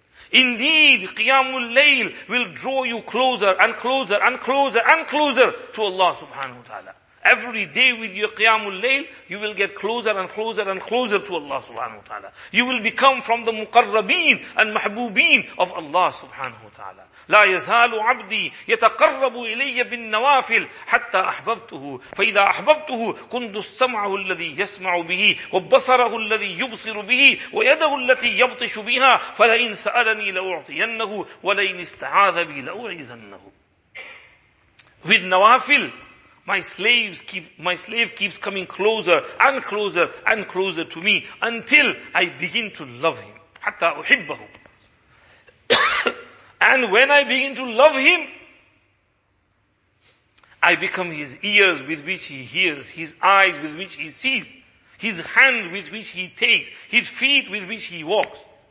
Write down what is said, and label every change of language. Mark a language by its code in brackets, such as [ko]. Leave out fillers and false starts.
[en] Indeed, qiyam al-layl will draw you closer and closer and closer and closer to Allah subhanahu wa ta'ala. Every day with your qiyamul layl, you will get closer and closer and closer to Allah subhanahu wa ta'ala. You will become from the muqarrabeen and mahbubeen of Allah subhanahu wa ta'ala. [ar] لا يزال عبدي يتقرب إلي بالنوافل حتى أحببته فإذا أحببته كنت سمعه الذي يسمع به وبصره الذي يبصر به ويده التي يبطش بها فلئن سألني لأعطينه ولئن استعاذ بي لأعيذنه. [en] With nawafil, My slave keeps coming closer and closer and closer to me until I begin to love him. [ar] Hatta uhibbahu. [en] And when I begin to love him, I become his ears with which he hears, his eyes with which he sees, his hand with which he takes, his feet with which he walks.